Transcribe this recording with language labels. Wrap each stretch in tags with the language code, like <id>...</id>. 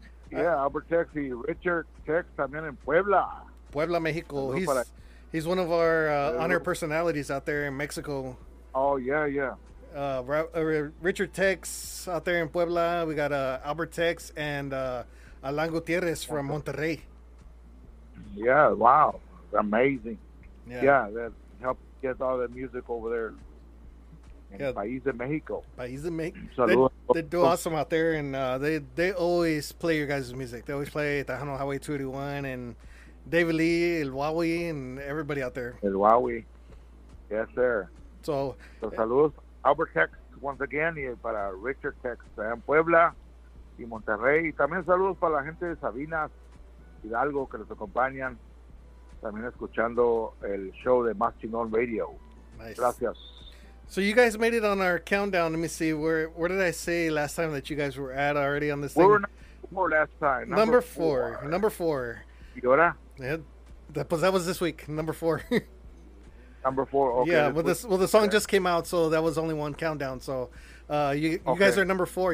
<es>Yeah, Albert Tex y Richard Tex también en Puebla. Puebla, México.</es> <en>He's one of our honor personalities out there in Mexico. Oh, yeah, yeah. Richard Tex out there in Puebla. We got Albert Tex and Alan Gutierrez from Monterrey. Yeah, wow. Amazing. Yeah, that helped get all the music over there in</en> <es>País de México. País de México.</es> <en>They do awesome out there, and they always play your guys' music. They always play Tejano Highway 281 and David Lee, El Wowwee, and everybody out there. El Wowwee. Yes, sir. So</en> <es>saludos. Albert Tex, once again, y para Richard Tex en Puebla y Monterrey. Y también saludos para la gente de Sabinas, Hidalgo, que nos acompañan, también escuchando el show de Más Chingón Radio.</es> <en>Nice.</en> <es>Gracias.</es> <en>So you guys made it on our countdown. Let me see, where did I say last time that you guys were at already on this we're thing? We were number four last time. Number four. Number four.</en> <es>¿Y ahora?</es> <en>That was this week, number four. Number four. Okay. Yeah, the song just came out, so that was only one countdown. So, you guys are number four.</en>